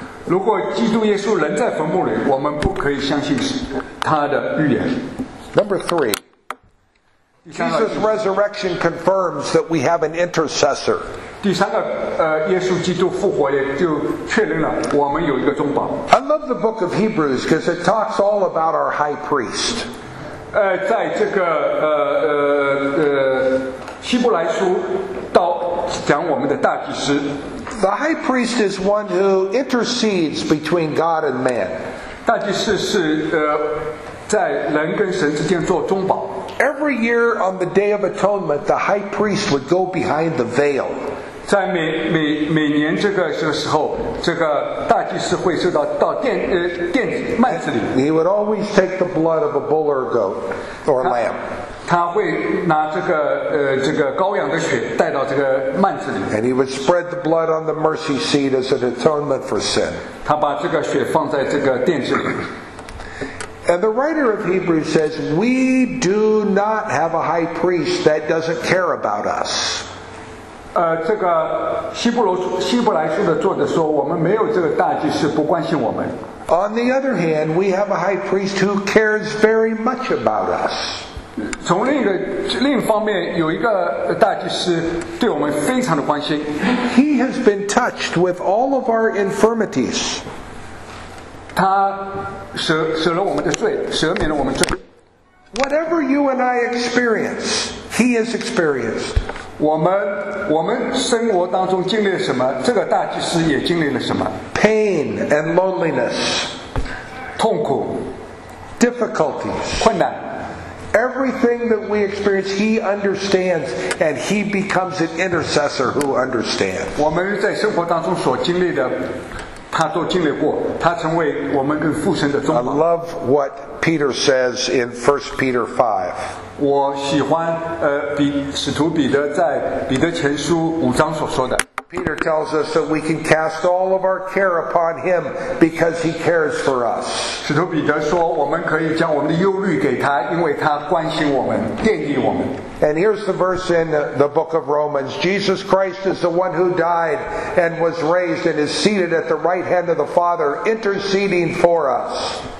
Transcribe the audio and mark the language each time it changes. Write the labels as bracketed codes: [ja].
[zh] 如果基督耶稣仍在坟墓里，我们不可以相信他的预言。 [en] Number three. Jesus' resurrection confirms that we have an intercessor. [zh] 第三个，耶稣基督复活也就确认了我们有一个中保。 [en] I love the book of Hebrews because it talks all about our high priest. [zh] 在这个希伯来书到讲我们的大祭司。 [en] The high priest is one who intercedes between God and man. [zh] 大祭司是在人跟神之间做中保。 [en] Every year on the Day of Atonement, the high priest would go behind the veil. [zh] 在每年这个时候，这个大祭司会受到殿幔子里。 [en] He would always take the blood of a bull or goat or lamb. [zh] 他会拿这个羔羊的血带到这个幔子里。 [en] And he would spread the blood on the mercy seat as an atonement for sin. [zh] 他把这个血放在这个殿子里。 [en] And the writer of Hebrews says, we do not have a high priest that doesn't care about us. [zh] 这个希伯来书的作者说，我们没有这个大祭司不关心我们。 [en] On the other hand, we have a high priest who cares very much about us. [zh] 从另一方面，有一个大祭司对我们非常的关心。 [en] He has been touched with all of our infirmities. [zh] 他舍了我们的罪，赦免了我们罪。 [en] Whatever you and I experience, he has experienced. [zh] 我们生活当中经历了什么，这个大祭司也经历了什么。 [en] Pain and loneliness, [zh] 痛苦 [en] ，difficulties, [zh] 困难。 [en] Everything that we experience, he understands, and he becomes an intercessor who understands. [zh] 我们在生活当中所经历的。他都经历过，他成为我们跟父神的中保。 [en] I love what Peter says in 1 Peter 5. [zh] 我喜欢使徒彼得在彼得前书五章所说的。 [en] Peter tells us that we can cast all of our care upon him because he cares for us. [zh] 使徒彼得说，我们可以将我们的忧虑给他，因为他关心我们，惦记我们。 [en] And here's the verse in the book of Romans. Jesus Christ is the one who died and was raised and is seated at the right hand of the Father, interceding for us.